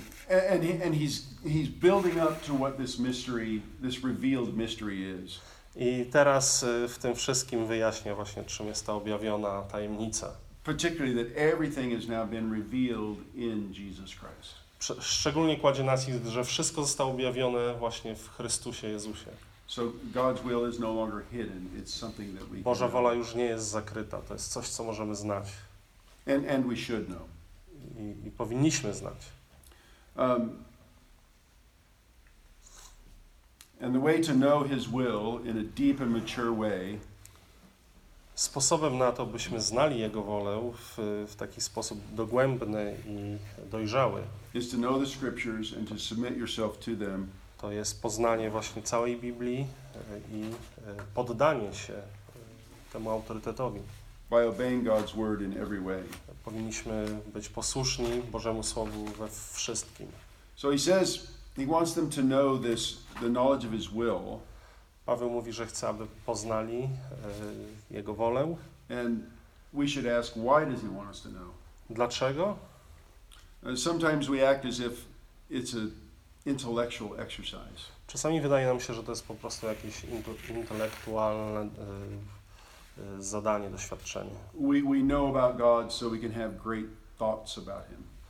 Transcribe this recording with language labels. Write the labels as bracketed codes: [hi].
[en] And he's building up to what this mystery, this revealed mystery is. [pl] I teraz w tym wszystkim wyjaśnia właśnie, czym jest ta objawiona tajemnica. [en] Particularly that everything has now been revealed in Jesus Christ. [pl] Szczególnie kładzie nacisk, że wszystko zostało objawione właśnie w Chrystusie Jezusie. [en] So God's will is no longer hidden. It's something that we [pl] Boża wola już nie jest zakryta. To jest coś, co możemy znać. [en] And we should know. [pl] I powinniśmy znać. [en] And the way to know his will in a deep and mature way. [pl] Sposobem na to, byśmy znali Jego wolę w taki sposób dogłębny i dojrzały, [en] is to know the scriptures and to submit yourself to them. [pl] To jest poznanie właśnie całej Biblii i poddanie się temu autorytetowi. [en] By obeying God's word in every way. [pl] Powinniśmy być posłuszni Bożemu Słowu we wszystkim. [en] So he says, he wants them to know this, the knowledge of his will. [pl] Paweł mówi, że chce, aby poznali Jego wolę. [en] And we should ask, why does he want us to know? [pl] Dlaczego? [en] Sometimes we act as if it's an intellectual exercise. [pl] Czasami wydaje nam się, że to jest po prostu jakieś intelektualne zadanie, doświadczenie. [en] We know about God, so we can have great thoughts about him.